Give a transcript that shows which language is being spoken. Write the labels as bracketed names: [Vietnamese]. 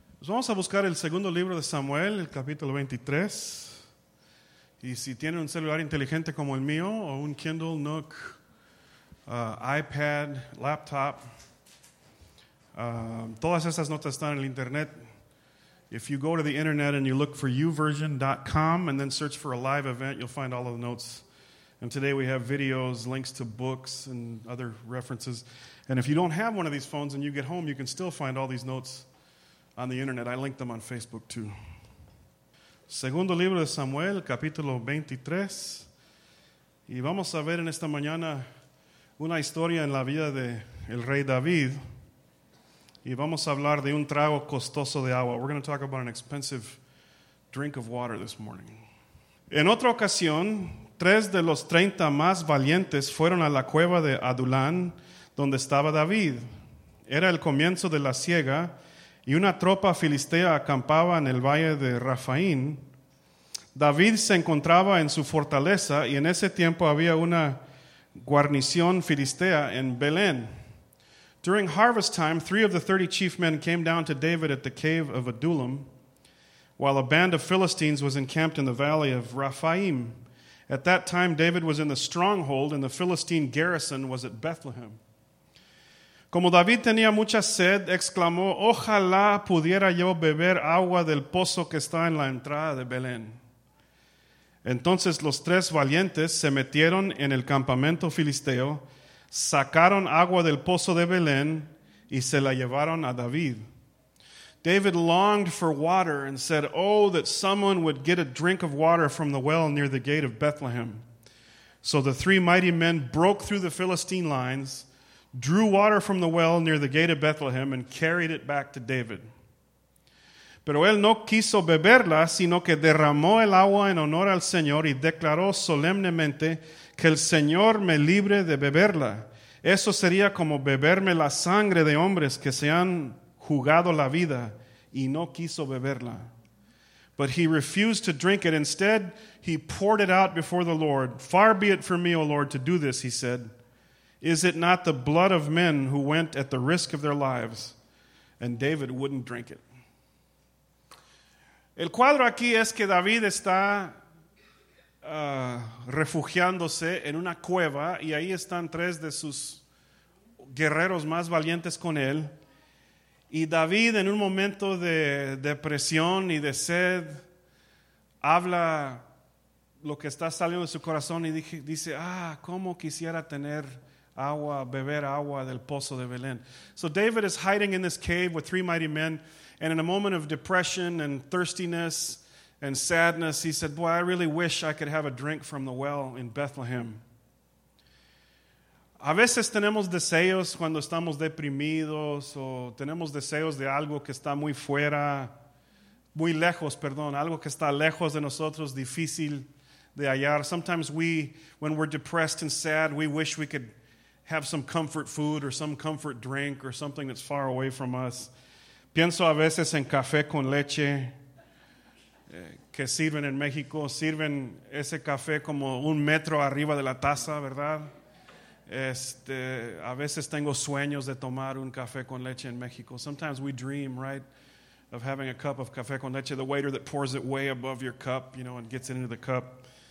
[Spanish] Vamos a buscar el segundo libro de Samuel, el capítulo 23. Y si tiene un celular inteligente como el mío, o un Kindle, Nook, iPad, laptop, todas esas notas están en el internet. [English] If you go to the internet and you look for uversion.com and then search for a live event, you'll find all of the notes. And today we have videos, links to books, and other references. And if you don't have one of these phones and you get home, you can still find all these notes on the internet. I linked them on Facebook too. [Spanish] Segundo libro de Samuel, capítulo 23. Y vamos a ver en esta mañana una historia en la vida de el rey David. Y vamos a hablar de un trago costoso de agua. [English] We're going to talk about an expensive drink of water this morning. [Spanish] En otra ocasión, tres de los 30 más valientes fueron a la cueva de Adulán, donde estaba David. Era el comienzo de la siega, y una tropa filistea acampaba en el valle de Rafaín. David se encontraba en su fortaleza, y en ese tiempo había una guarnición filistea en Belén. [English] During harvest time, three of the 30 chief men came down to David at the cave of Adullam, while a band of Philistines was encamped in the valley of Rephaim. At that time, David was in the stronghold, and the Philistine garrison was at Bethlehem. [Spanish] Como David tenía mucha sed, exclamó, "Ojalá pudiera yo beber agua del pozo que está en la entrada de Belén." Entonces los tres valientes se metieron en el campamento filisteo, sacaron agua del pozo de Belén y se la llevaron a David. [English] David longed for water and said, "Oh, that someone would get a drink of water from the well near the gate of Bethlehem." So the three mighty men broke through the Philistine lines, drew water from the well near the gate of Bethlehem, and carried it back to David. [Spanish] Pero él no quiso beberla, sino que derramó el agua en honor al Señor y declaró solemnemente, "Que el Señor me libre de beberla. Eso sería como beberme la sangre de hombres que se han jugado la vida." Y no quiso beberla. [English] But he refused to drink it. Instead, he poured it out before the Lord. "Far be it from me, O Lord, to do this," he said. "Is it not the blood of men who went at the risk of their lives?" And David wouldn't drink it. [Spanish] El cuadro aquí es que David está refugiándose en una cueva y ahí están tres de sus guerreros más valientes con él. Y David, en un momento de depresión y de sed, habla lo que está saliendo de su corazón y dice, "Ah, cómo quisiera tener agua, beber agua del pozo de Belén." [English] So David is hiding in this cave with three mighty men, and in a moment of depression and thirstiness and sadness, he said, "Boy, I really wish I could have a drink from the well in Bethlehem." [Spanish] A veces tenemos deseos cuando estamos deprimidos o tenemos deseos de algo que está muy fuera, muy lejos, perdón, algo que está lejos de nosotros, difícil de hallar. [English] Sometimes we, when we're depressed and sad, we wish we could have some comfort food or some comfort drink or something that's far away from us. [Spanish] Pienso a veces en café con leche que sirven en México. Sirven ese café como un metro arriba de la taza, ¿verdad? A veces tengo sueños de tomar un café con leche en México. [English] Sometimes we dream, right, of having a cup of café con leche, the waiter that pours it way above your cup, you know, and gets it into the cup.